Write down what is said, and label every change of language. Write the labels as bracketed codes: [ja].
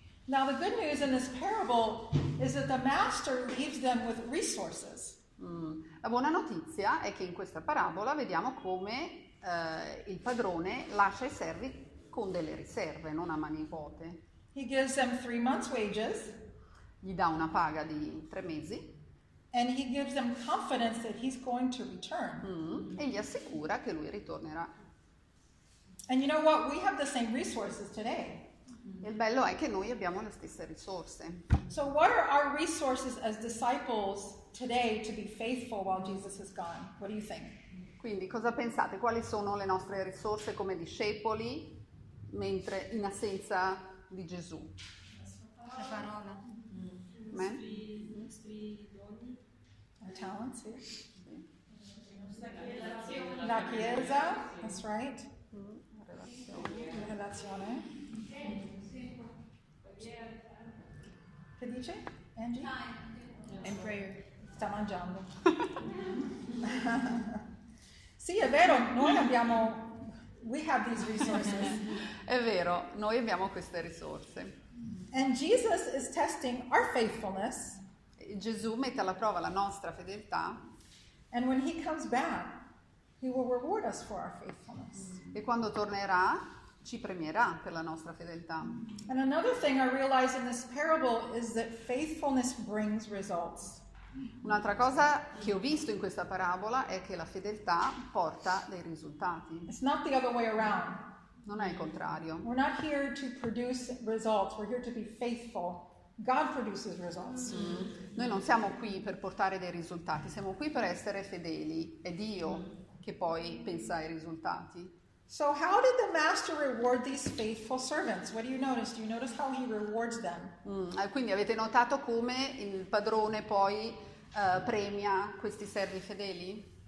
[en] Now the good news in this parable is that the master leaves them with resources. Mm. [it] La buona notizia è che in questa parabola vediamo come il padrone lascia i servi con delle riserve, non a mani vuote. [en] He gives them 3 months' wages. [it] Gli dà una paga di 3 mesi. [en] And he gives them confidence that he's going to return. [it] Mm-hmm. E gli assicura che lui ritornerà. [en] And you know what? We have the same resources today. [it] Il bello è che noi abbiamo le stesse risorse. [en] So what are our resources as disciples today to be faithful while Jesus is gone? What do you think? [it] Quindi cosa pensate? Quali sono le nostre risorse come discepoli mentre in assenza di Gesù? La parola. Mm. I nostri doni. [en] Our talents, sì. [it] La chiesa. La chiesa, [en] that's right. [it] Mm. La relazione. La relazione. Che dice, Angie? [en] Time. And prayer. [it] Sta mangiando. Sì, è vero, noi abbiamo... [en] We have these resources. [it] È vero, noi abbiamo queste risorse. [en] And Jesus is testing our faithfulness. [it] Gesù mette alla prova la nostra fedeltà. [en] And when he comes back, he will reward us for our faithfulness. [it] E quando tornerà, ci premierà per la nostra fedeltà. [en] And another thing I realize in this parable is that faithfulness brings results. [it] Un'altra cosa che ho visto in questa parabola è che la fedeltà porta dei risultati. [en] It's not the other way around. [it] Non è il contrario. [en] We're not here to produce results, we're here to be faithful. God produces results. Mm-hmm. [it] Noi non siamo qui per portare dei risultati, siamo qui per essere fedeli. È Dio che poi pensa ai risultati. [en] So how did the master reward these faithful servants? What do you notice? Do you notice how he rewards them? [it] Quindi avete notato come il padrone poi premia questi servi fedeli?